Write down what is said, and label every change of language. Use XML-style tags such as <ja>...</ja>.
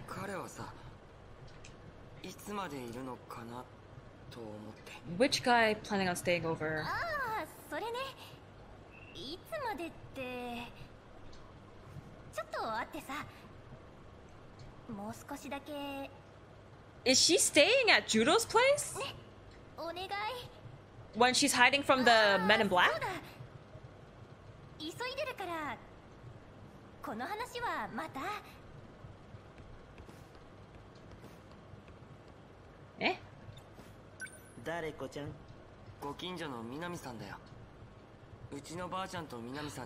<ja>彼はさ、いつまでいるのかなと思って。</ja> <en>Which guy planning on staying over?</en> <ja>ああ、それね。いつまでって、ちょっと待ってさ、もう少しだけ。</ja> <en>Is she staying at Judo's place?</en> <ja>ね、お願い。</ja> <en>When she's hiding from the men in black?</en> <ja>そうだ。急いでるから、この話はまた。誰子ちゃん？ご近所の南さんだよ。うちのばあちゃんと南さん。</ja>